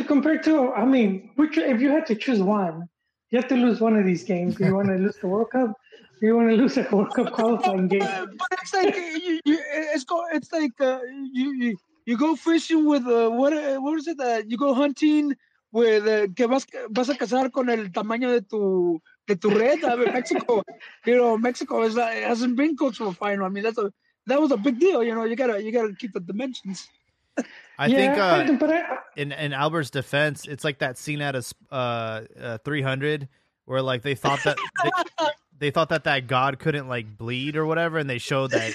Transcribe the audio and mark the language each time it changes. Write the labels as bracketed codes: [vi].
[en] to compare to, I mean, which, if you had to choose one, you have to lose one of these games. You want to lose the World Cup? Or you want to lose a World Cup qualifying game? But it's like you go fishing with what is it that you go hunting with? [es] Que vas a cazar con el tamaño de tu red? [en] I mean, Mexico, you know, Mexico hasn't been close to a final. I mean, that was a big deal. You know, you gotta keep the dimensions. I think in Albert's defense, it's like that scene out of 300 where like they thought that they thought that god couldn't like bleed or whatever, and they showed that